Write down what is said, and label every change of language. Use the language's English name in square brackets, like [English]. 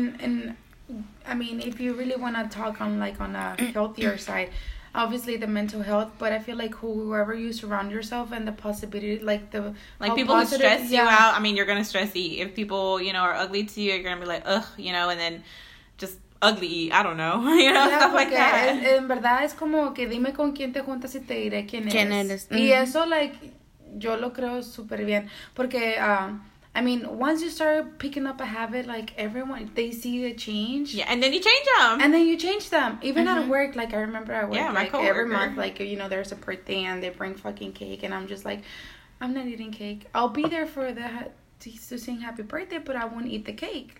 [English] And I mean, if you really want to talk on, like, on a healthier side, obviously the mental health, but I feel like whoever you surround yourself and the possibility, like the... Like people positive, who stress you out, I mean, you're going to stress eat. If people, you know, are ugly to you, you're going to be like, ugh, you know, and then just ugly eat. I don't know, you know, stuff like that. [Spanish] En verdad es como que dime con quién te juntas y te diré quién eres. ¿Quién eres? Mm-hmm. Y eso, like, yo lo creo súper bien. [English] Porque, I mean, once you start picking up a habit, like, everyone, they see the change. Yeah, and then you change them. And then you change them. Even at work, like, I remember at work, yeah, my like, coworker. Every month, like, you know, there's a birthday and they bring fucking cake. And I'm just like, I'm not eating cake. I'll be there for the to sing happy birthday, but I won't eat the cake.